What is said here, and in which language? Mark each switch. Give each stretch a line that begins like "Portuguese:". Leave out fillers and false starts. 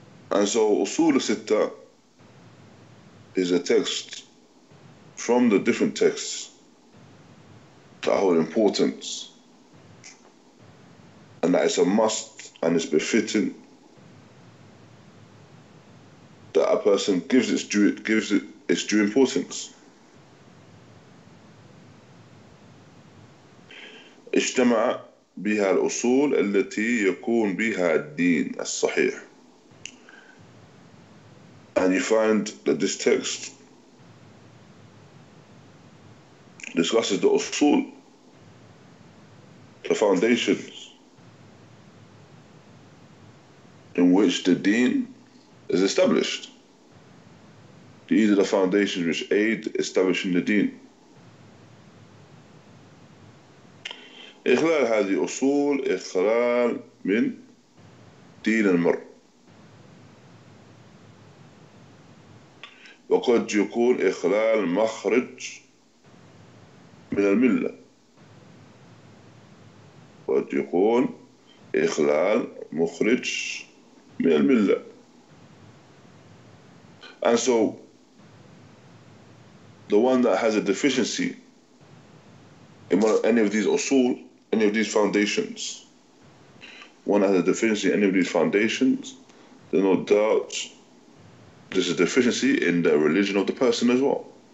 English: And so, Usul as-Sittah is a text from the different texts that hold importance, and that it's a must and it's befitting that a person gives it its due importance.
Arabic: اجتمع بها الأصول التي يكون بها الدين الصحيح.
English: And you find that this text discusses the usul, the foundations in which the deen is established. These are the foundations which aid establishing the deen.
Arabic: إخلال هذه الأصول إخلال من دين المرء. وقد يكون إخلال مخرج من الملة. قد يكون إخلال مخرج من الملة.
English: And so, the one that has a deficiency in any of these usul, any of these foundations, one has a deficiency in any of these foundations, there's no doubt there's a deficiency in the religion of the person as well.